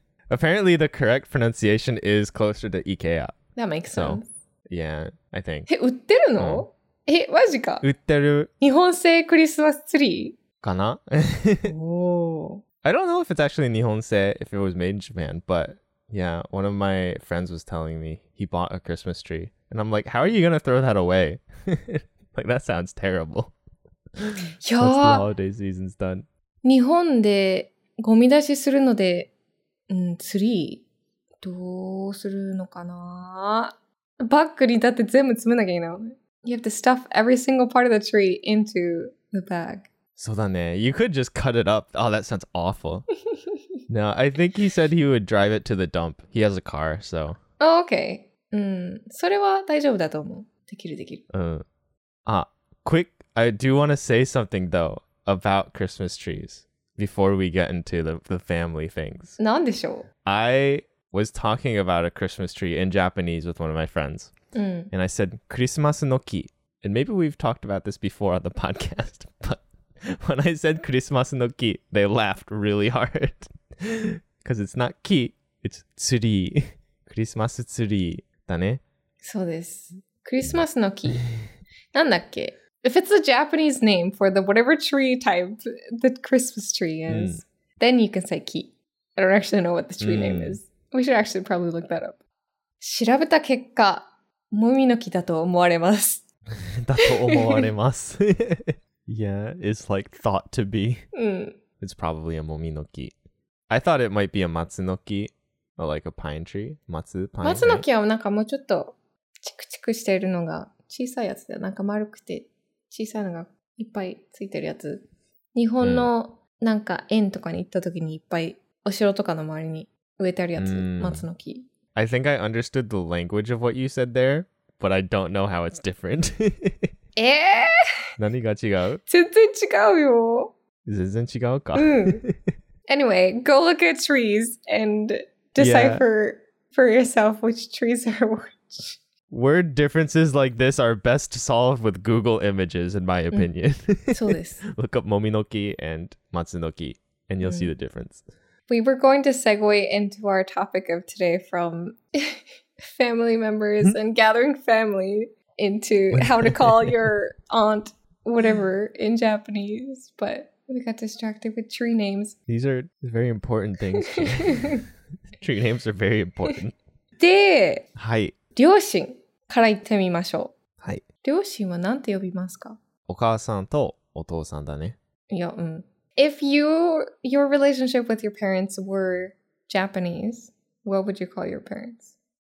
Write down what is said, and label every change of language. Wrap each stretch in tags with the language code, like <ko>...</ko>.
<en>Apparently the correct pronunciation is closer to IKEA. That makes sense. So, yeah, I think.</en> <ja>え、売ってるの、うん、え、マジか。売ってる。日本製クリスマスツリーかな。おー。</ja> <en>I don't know if it's actually</en> <ja>日本製、</ja> <en>if it was made in Japan, but... Yeah, one of my friends was telling me he bought a Christmas tree. And I'm like, how are you going to throw that away? Like, that sounds terrible. Yeah. Once the holiday season's done.</en> <ja>日本でゴミ出しするので、ツリーどうするのかな? バッグにだって全部詰めなきゃいけないの。</ja> <en>You have to stuff every single part of the tree into the bag.</en> <ja>そうだね。</ja> <en>You could just cut it up. Oh, that sounds awful. No, I think he said he would drive it to the dump. He has a car, so. Oh, okay.</en> <ja>それは大丈夫だと思う。できるできる。</ja> <en>Quick, I do want to say something though about Christmas trees before we get into the family things.</en> <ja>なんでしょう?</ja> <en>I was talking about a Christmas tree in Japanese with one of my friends. And I said, Christmas no ki. And maybe we've talked about this before on the podcast, but when I said Christmas no ki, they laughed really hard. Because it's not ki, it's tsuri. Christmas tsuri</en> <ja>だね。そうです。Christmas の木。なんだっけ?</ja> <en>If it's a Japanese name for the whatever tree type the Christmas tree is, then you can say ki. I don't actually know what the tree name is. We should actually probably look that up.</en> <ja>調べた結果、もみの木だと思われます。だと思われます。</ja> <en>Yeah, it's like thought to be. It's probably a もみの木。I thought it might be a matsunoki, or like a pine tree. Matsu, pine tree.</en> <ja>Matsunoki はなんかもうちょっとチクチクしてるのが小さいやつだよ。なんか丸くて小さいのがいっぱいついてるやつ。日本のなんか園とかに行った時にいっぱいお城とかの周りに植えてあるやつ、mm. 松の木。</ja> <en>I think I understood the language of what you said there, but I don't know how it's different. Eh?</en> <ja>何が違う？全然違うよ。全然違うか。うん。</ja> <en>Anyway, go look at trees and decipher yeah. for yourself which trees are which. Word differences like this are best solved with Google images, in my opinion. So this. Look up Mominoki and Matsunoki, and you'll see the difference. We were going to segue into our topic of today from family members and gathering family into how to call your aunt whatever in Japanese, but we got distracted with tree names. These are very important things. Tree names are very important.</en> <ja>で、はい。両親から言ってみましょう。はい。両親はなんて呼びますか？お母さんとお父さんだね。いや、うん。</ja> <en>If your relationship with your parents were Japanese, what would you call your parents?</en>